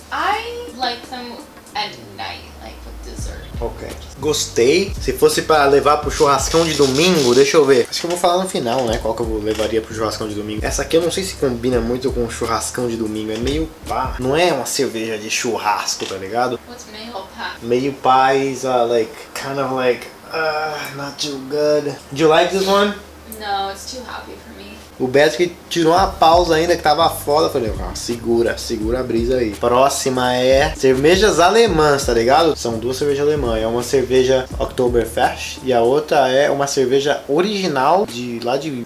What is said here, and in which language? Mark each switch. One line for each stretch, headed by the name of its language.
English: I like them at night.
Portuguese: Ok. Gostei. Se fosse pra levar pro churrascão de domingo, deixa eu ver. Acho que eu vou falar no final, né? Qual que eu levaria pro churrascão de domingo. Essa aqui eu não sei se combina muito com o churrascão de domingo. É meio pá. Não é uma cerveja de churrasco, tá ligado?
English: What's meio pá? Meio pá is like, kind of like, not too good. Do you like this one? No, it's too happy for me.
Portuguese: O Beto que tirou uma pausa ainda, que tava foda. Falei, ah, segura a brisa aí. Próxima é cervejas alemãs, tá ligado? São duas cervejas alemãs. É uma cerveja Oktoberfest e a outra é uma cerveja original de lá de...